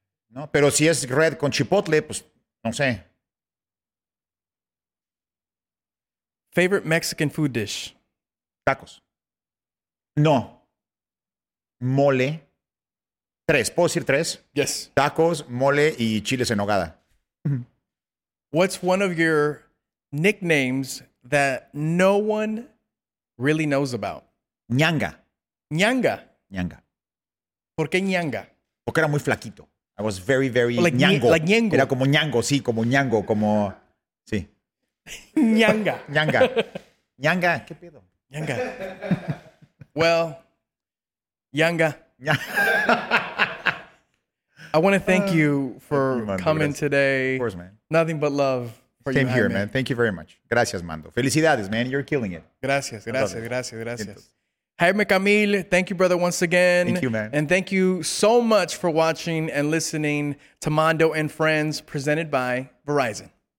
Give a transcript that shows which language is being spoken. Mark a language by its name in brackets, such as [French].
[Spanish] No, pero si es red con chipotle, pues no sé. [English] Favorite Mexican food dish? [Spanish] Tacos. No. Mole. Tres. ¿Puedo decir tres? [English] Yes. [Spanish] Tacos, mole y chiles en nogada. [English] What's one of your nicknames that no one really knows about? [Spanish] Ñanga. Ñanga. Ñanga. ¿Por qué Ñanga? Porque era muy flaquito. [English] I was very, very like Ñango. Like Ñango. [Spanish] Era como Ñango, sí, como Ñango, como... Sí. Ñanga. Ñanga. Ñanga. ¿Qué pedo? [English] Ñanga. Well, Ñanga. I want to thank you for coming today. Of course, man. Nothing but love for you. Came here, man. Thank you very much. [Spanish] Gracias, Mando. Felicidades, [English] man. You're killing it. [Spanish] Gracias, gracias, gracias, gracias. [English] Jaime Camil, thank you, brother, once again. Thank you, man. And thank you so much for watching and listening to Mando and Friends presented by Verizon.